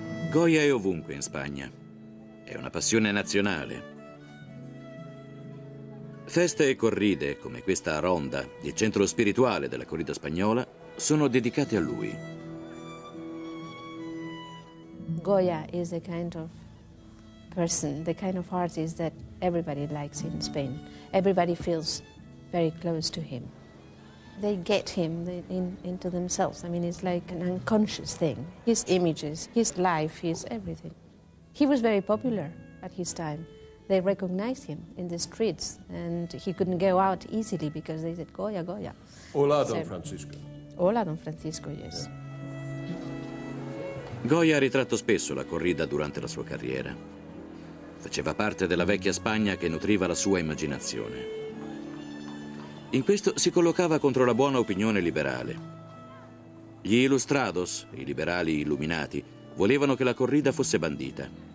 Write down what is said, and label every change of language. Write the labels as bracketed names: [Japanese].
[Italian] Goya è ovunque in Spagna. È una passione nazionale. Feste e corride, come questa ronda, il centro spirituale della corrida spagnola, sono dedicate a lui. [English] Goya is the kind of person, the kind of artist that everybody likes in Spain. Everybody feels very close to him. They get him into themselves. I mean, it's like an unconscious thing. His images, his life, his everything. He was very popular at his time. They recognized him in the streets, and he couldn't go out easily because they said, Goya, Goya. [Spanish] Hola, Don Francisco. Hola, Don Francisco, yes. [Italian] Goya ha ritratto spesso la corrida durante la sua carriera. Faceva parte della vecchia Spagna che nutriva la sua immaginazione. In questo si collocava contro la buona opinione liberale. Gli Ilustrados, i liberali illuminati, volevano che la corrida fosse bandita.